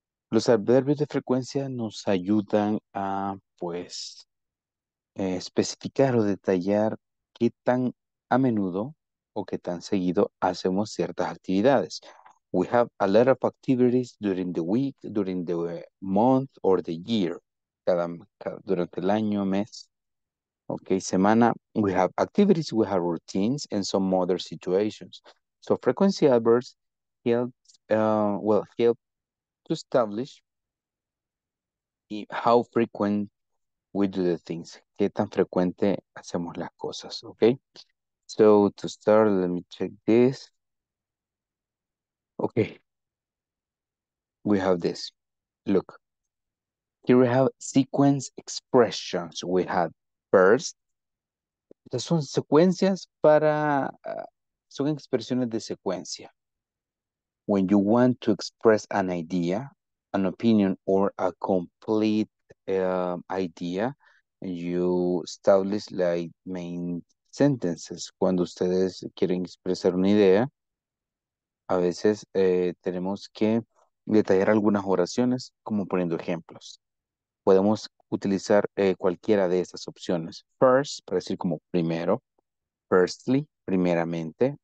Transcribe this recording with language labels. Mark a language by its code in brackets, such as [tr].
[es] Los adverbios de frecuencia nos ayudan a, pues, especificar o detallar qué tan a menudo o qué tan seguido hacemos ciertas actividades. [en] We have a lot of activities during the week, during the month, or the year. [es] Durante el año, mes, okay, semana. [en] We have activities, we have routines, and some other situations. So frequency adverbs help to establish how frequent we do the things. [es] ¿Qué tan frecuente hacemos las cosas? [en] Okay. So to start, let me check this. Okay, we have this. Look, here we have sequence expressions. We have first. [es] Estas son secuencias para, son expresiones de secuencia. [en] When you want to express an idea, an opinion, or a complete idea, you establish like main sentences. [es] Cuando ustedes quieren expresar una idea, a veces tenemos que detallar algunas oraciones como poniendo ejemplos. Podemos utilizar cualquiera de estas opciones. First, para decir como primero. Firstly, primeramente.